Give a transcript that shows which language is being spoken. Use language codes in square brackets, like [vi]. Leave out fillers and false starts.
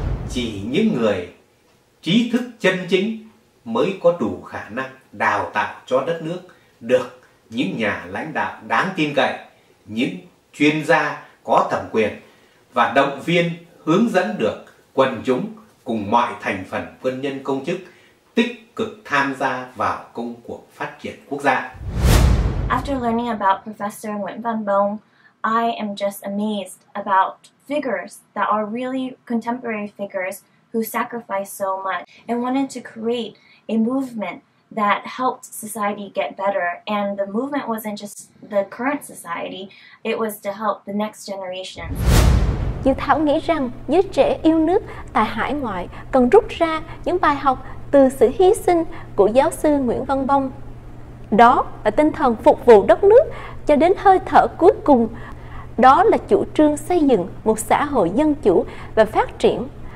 [vi] Chỉ những người trí thức chân chính mới có đủ khả năng đào tạo cho đất nước được những nhà lãnh đạo đáng tin cậy, những chuyên gia có thẩm quyền và động viên hướng dẫn được quần chúng cùng mọi thành phần quân nhân công chức tích cực tham gia vào công cuộc phát triển quốc gia. [en] After learning about Professor Nguyễn Văn Bông, I am just amazed about figures that are really contemporary figures who sacrificed so much and wanted to create a movement that helped society get better. And the movement wasn't just the current society, it was to help the next generation. [vi] Dự thảo nghĩ rằng giới trẻ yêu nước tại hải ngoại cần rút ra những bài học từ sự hy sinh của giáo sư Nguyễn Văn Bông. Đó là tinh thần phục vụ đất nước cho đến hơi thở cuối cùng. Đó là chủ trương xây dựng một xã hội dân chủ và phát triển.